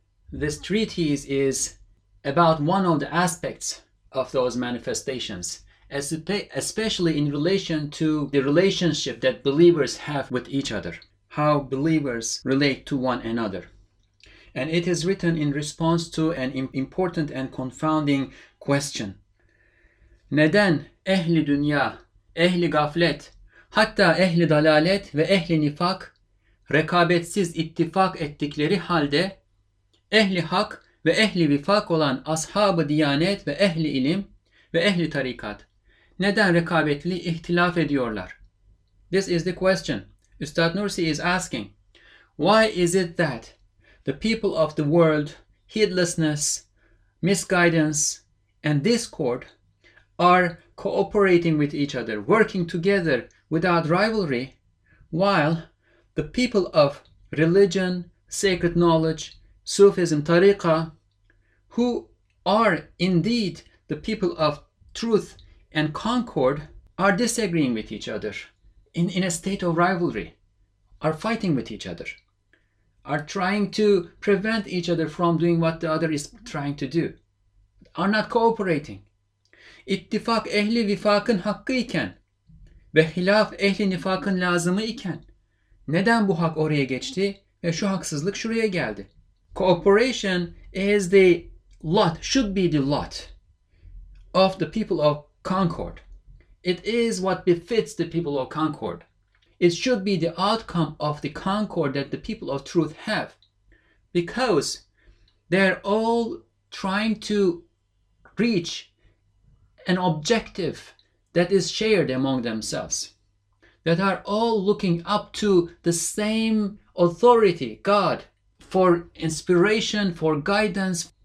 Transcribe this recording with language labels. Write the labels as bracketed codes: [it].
[en] This treatise is about one of the aspects of those manifestations, especially in relation to the relationship that believers have with each other, how believers relate to one another. And it is written in response to an important and confounding question. [tr] Neden ehli dünya, ehli gaflet, hatta ehli dalalet ve ehli nifak rekabetsiz ittifak ettikleri halde ehli hak ve ehli vifak olan ashab-ı diyanet ve ehli ilim ve ehli tarikat neden rekabetli ihtilaf ediyorlar? [en] This is the question. Üstad Nursi is asking, why is it that the people of the world, heedlessness, misguidance and discord are cooperating with each other, working together without rivalry, while the people of religion, sacred knowledge, Sufism, tariqa, who are indeed the people of truth and concord, are disagreeing with each other in a state of rivalry, are fighting with each other, are trying to prevent each other from doing what the other is trying to do, are not cooperating. [tr] İttifak ehli vifakın hakkı iken ve hilaf ehli nifakın lazımı iken neden bu hak oraya geçti ve şu haksızlık şuraya geldi? [en] Cooperation is the lot, should be the lot of the people of concord. It is what befits the people of concord. It should be the outcome of the concord that the people of truth have, because they're all trying to reach an objective that is shared among themselves, that are all looking up to the same authority, God, for inspiration, for guidance.